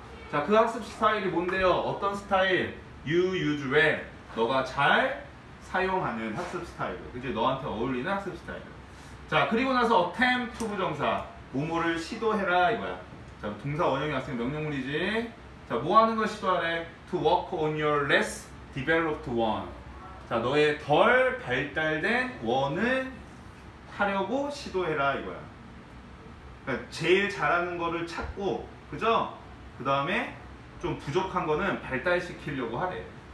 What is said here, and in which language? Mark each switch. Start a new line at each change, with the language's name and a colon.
Korean: 자, 그 학습 스타일이 뭔데요? 어떤 스타일?
English: You use well.
Korean: 너가 잘 사용하는 학습 스타일. 그치? 너한테 어울리는 학습 스타일. 자, 그리고 나서 attempt to 부정사. 뭐뭐를 시도해라. 이거야. 자, 동사 원형이 왔으니 명령문이지. 자, 뭐 하는 걸 시도하래?
English: To work on your less developed one.
Korean: 자, 너의 덜 발달된 원을 하려고 시도해라. 이거야. 그러니까 제일 잘하는 거를 찾고, 그죠? 그 다음에 좀 부족한 거는 발달시키려고 하래.